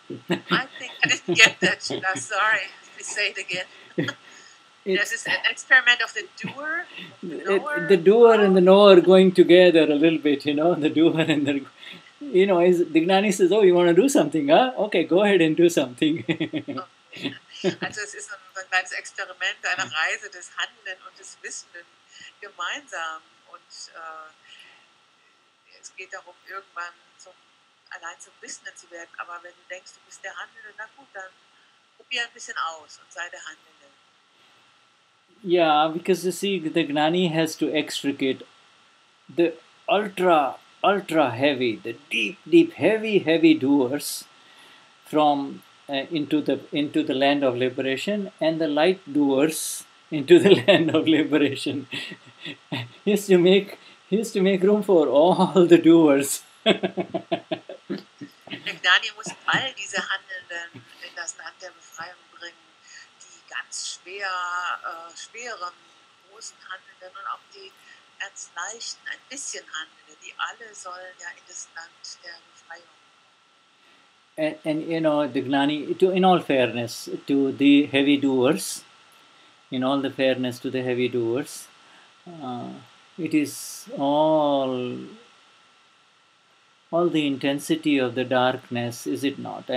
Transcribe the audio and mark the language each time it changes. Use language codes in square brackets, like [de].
[en] I didn't get that, sorry, let me say it again. This is an experiment of the doer, the doer and the knower going together a little bit, you know, the doer and the, you know, the Gnani says, oh, you want to do something, huh? Okay, go ahead and do something. [de] Also es ist ein kleines Experiment, eine Reise des Handelnden und des Wissenden gemeinsam, und es geht darum, irgendwann so allein zum Wissenden zu werden, aber wenn du denkst, du bist der Handelnde, na gut, dann probier ein bisschen aus und sei der Handelnde. [en] Yeah, because you see, the Gnani has to extricate the ultra, ultra heavy, the deep, deep, heavy, heavy doers from into the land of liberation, and the light doers into the land of liberation. he has to make room for all the doers. [de] The Gnani muss all diese Handelnden in das Land der Befreiung bringen, die ganz schweren, großen Handelnden und auch die ganz leichten, ein bisschen Handelnden, die alle sollen ja in das Land der Befreiung. [en] And you know, the Gnani, in all fairness to the heavy doers, it is all the intensity of the darkness, is it not?